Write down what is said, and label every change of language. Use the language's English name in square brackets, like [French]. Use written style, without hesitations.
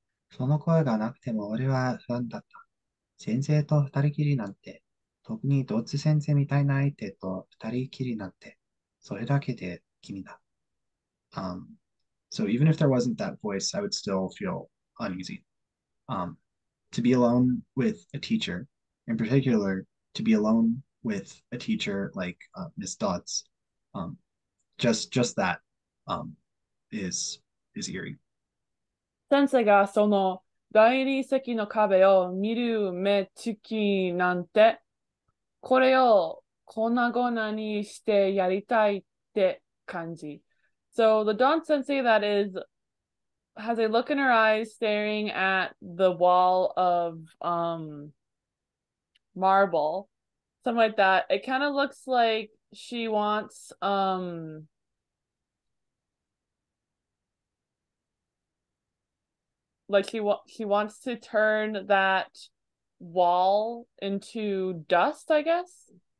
[Japanese] その声がなくても俺は不安だった。先生と二人きりなんて、特にドッツ先生みたいな相手と二人きりなんて、それだけで君だ。 [English] So even if there wasn't that voice, I would still feel uneasy. To be alone with a teacher, in particular, to be alone with a teacher like Miss Dodds, just that is eerie. [Japanese] 先生がその代理席の壁を見る目つきなんて、これを粉々にしてやりたいって感じ。 [English] So the Don Sensei that is has a look in her eyes staring at the wall of marble, something like that. It kind of looks like she wants like he wants to turn that wall into dust, I guess.